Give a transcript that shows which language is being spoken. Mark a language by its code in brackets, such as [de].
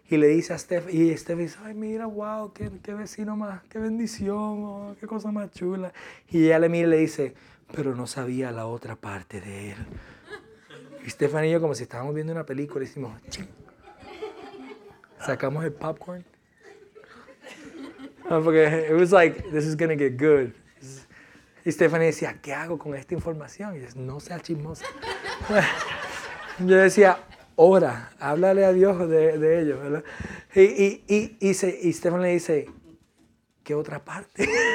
[es] Y le dice a Steph, y Steph dice, ay, mira, wow, qué vecino más, qué bendición, oh, qué cosa más chula. Y ella le mira y le dice, pero no sabía la otra parte de él. Y Stephanie y yo, como si estábamos viendo una película, hicimos ching. Sacamos el popcorn. Porque [en] it was like, this is gonna get good. [es] Y Stephanie decía, ¿qué hago con esta información? Y dice, no seas chismosa. Yo decía, ora, háblale a Dios de ello. Y Stephanie le dice, ¿qué otra parte?